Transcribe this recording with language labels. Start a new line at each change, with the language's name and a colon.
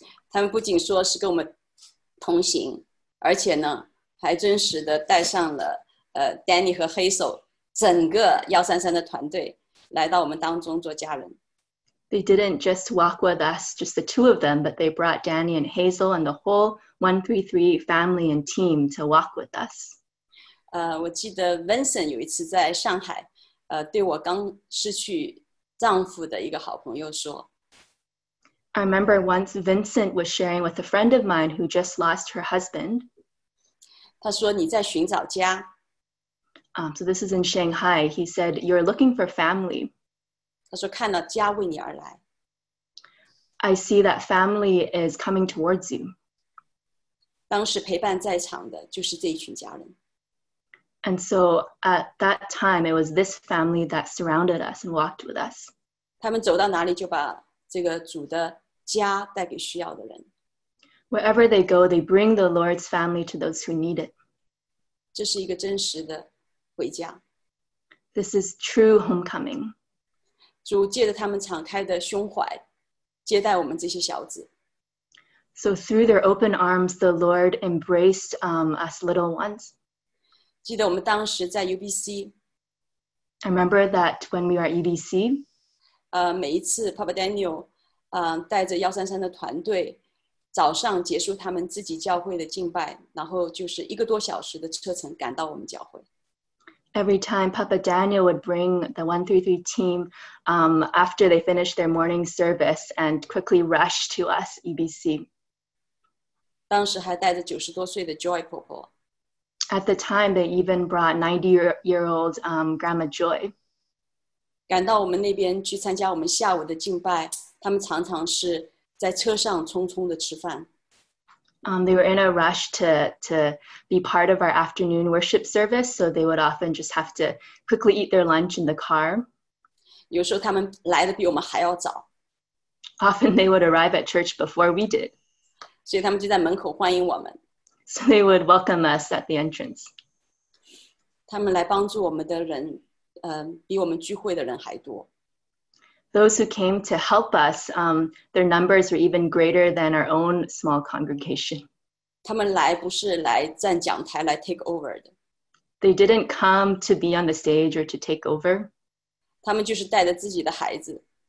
Chinese: 他们不仅说是跟我们同行，而且呢，还真实的带上了Danny 和黑手整个133的团队来到我们当中做家人。
English: They didn't just walk with us, just the two of them, but they brought Danny and Hazel and the whole 133 family and team to walk with us.
Chinese: 我记得 Vincent 有一次在上海，对我刚失去丈夫的一个好朋友说。
English: I remember once Vincent was sharing with a friend of mine who just lost her husband.
Chinese: 他说你在寻找家。
English: So this is in Shanghai. He said, you're looking for family.
Chinese: 他说看到家为你而来。
English: I see that family is coming towards you.
Chinese: 当时陪伴在场的就是这一群家人。
English: And so at that time, it was this family that surrounded us and walked with us.
Chinese: 他们走到哪里就把这个主的家带给需要的人。
English: Wherever they go, they bring the Lord's family to those who need it.
Chinese: 这是一个真实的回家。
English: This is true homecoming.
Chinese: 主借着他们敞开的胸怀接待我们这些小子。
English: So through their open arms, the Lord embraced us little ones.
Chinese: 记得我们当时在 UBC.
English: I remember that when we were at UBC.
Chinese: 每一次 Papa Daniel 带着133的团队早上结束他们自己教会的敬拜，然后就是一个多小时的车程赶到我们教会。
English: Every time Papa Daniel would bring the 133 team after they finished their morning service and quickly rush to us, EBC.
Chinese: 当时还带着九十多岁的 Joy 婆婆。
English: At the time, they even brought 90-year-old Grandma Joy.
Chinese: 赶到我们那边去参加我们下午的敬拜，他们常常是在车上匆匆的吃饭。
English: They were in a rush to be part of our afternoon worship service, so they would often just have to quickly eat their lunch in the car.
Chinese: 有时候他们来得比我们还要早。
English: Often they would arrive at church before we did.
Chinese: 所以他们就在门口欢迎我们。
English: So they would welcome us at the entrance.
Chinese: 他们来帮助我们的人，比我们聚会的人还多。
English: Those who came to help us, their numbers were even greater than our own small congregation.
Chinese: 他们来不是来站讲台来
English: take over
Chinese: 的。
English: They didn't come to be on the stage or to take over.
Chinese: 他们就是带着自己的孩子。